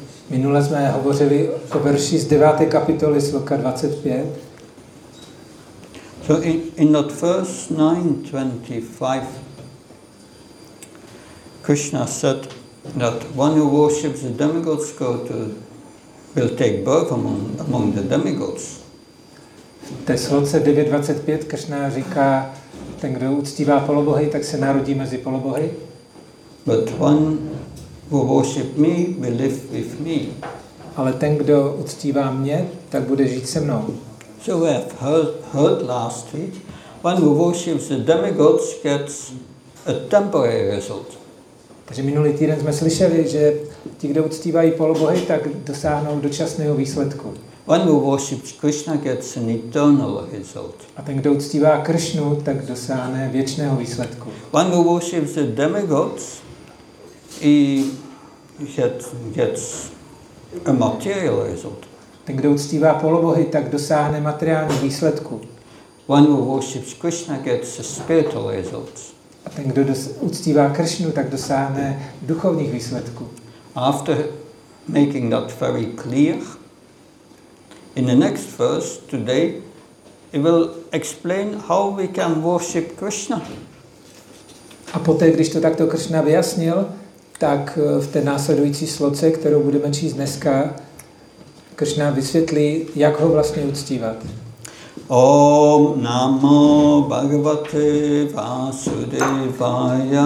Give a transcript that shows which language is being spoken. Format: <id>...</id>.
<cs>Minule jsme hovořili o verši z 9. kapitoly sloka 25.</cs> <en>So in that verse 9:25, Krishna said that one who worships the demigods will take birth among the demigods.</en> <cs>Ve sloce 9:25 Krishna říká, ten kdo uctívá polobohy, tak se narodí mezi polobohy.</cs> <en>But one who worships me will live with me.</en> <cs>Ale ten kdo uctívá mě, tak bude žít se mnou.</cs> <en>So we have heard last week, one who worships the demigods gets a temporary result.</en> <cs>Takže minulý týden jsme slyšeli, že ti, kdo uctívají polobohy, tak dosáhnou dočasného výsledku.</cs> <en>One who worships Krishna gets an eternal result.</en> <cs>A ten, kdo uctívá Krishnu, tak dosáhne věčného výsledku.</cs> <en>One who worships the demigods, he gets a material result.</en> <cs>Ten, kdo uctívá polobohy, tak dosáhne materiální výsledku.</cs> <en>One who worships Krishna gets a spiritual results.</en> <cs>A ten, kdo uctívá Krishnu, tak dosáhne duchovních výsledků.</cs> <en>After making that very clear, in the next verse today, it will explain how we can worship Krishna.</en> <cs>A poté, když to takto Krishna vyjasnil, tak v té následující sloce, kterou budeme číst dneska, Krishna vysvětlí, jak ho vlastně uctívat.</cs> <sa>Om namo Bhagavate Vasudevaya.</sa>